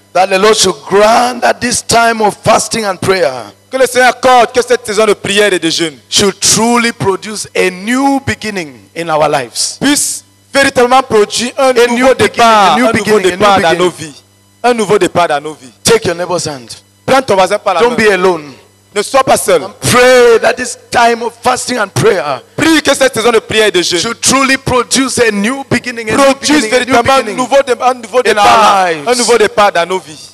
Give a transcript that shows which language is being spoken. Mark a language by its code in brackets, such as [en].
[en] That the Lord should grant that this time of fasting and prayer. [fr] Que le Seigneur accorde que cette saison de prière et de jeûne [en] should truly produce a new beginning in our lives. [fr] Puisse véritablement produit un nouveau départ dans nos vies. Un nouveau départ dans nos vies. [en] Take your neighbor's hand. [fr] Prends ton voisin par la [en] main. Don't be alone. [fr] Ne sois pas seul. [en] And pray that this time of fasting and prayer. [fr] Prie que cette saison de prière et de jeûne [en] should truly produce a new beginning. [fr] Produise véritablement un nouveau départ dans nos vies.